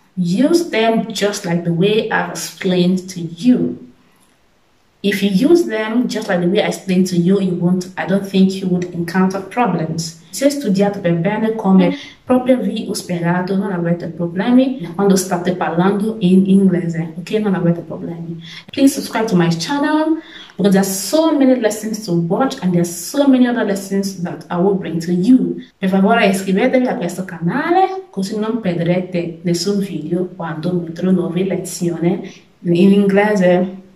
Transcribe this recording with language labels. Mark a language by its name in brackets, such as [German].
[English] Use them just like the way I've explained to you. If you use them just like the way I explained to you, I don't think you would encounter problems. [Italian] Se studiate per bene come proprio vi ho spiegato, non avete problemi quando state parlando in inglese, ok? Non avete problemi. [English] Please subscribe to my channel because there are so many lessons to watch and there are so many other lessons that I will bring to you. [Italian] Per favore iscrivetevi a questo canale così non perderete nessun video quando metterò nuove lezioni in inglese.